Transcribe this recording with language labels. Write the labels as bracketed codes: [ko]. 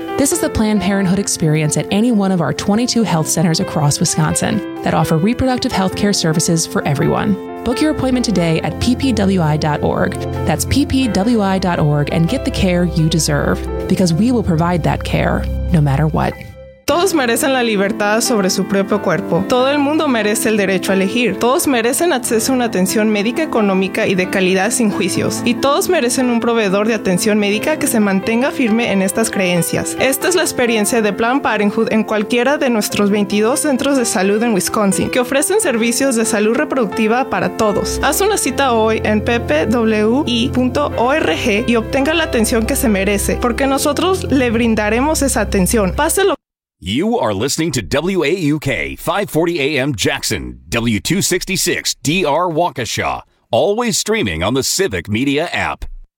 [en] This is the Planned Parenthood experience at any one of our 22 health centers across Wisconsin that offer reproductive health care services for everyone. Book your appointment today at ppwi.org. That's ppwi.org, and get the care you deserve, because we will provide that care no matter what. [es] Todos merecen la libertad sobre su propio cuerpo. Todo el mundo merece el derecho a elegir. Todos merecen acceso a una atención médica económica y de calidad sin juicios. Y todos merecen un proveedor de atención médica que se mantenga firme en estas creencias. Esta es la experiencia de Planned Parenthood en cualquiera de nuestros 22 centros de salud en Wisconsin, que ofrecen servicios de salud reproductiva para todos. Haz una cita hoy en ppwi.org y obtenga la atención que se merece, porque nosotros le brindaremos esa atención. Páselo. [en] You are listening to WAUK 540 AM Jackson, W266 DR Waukesha, always streaming on the Civic Media app.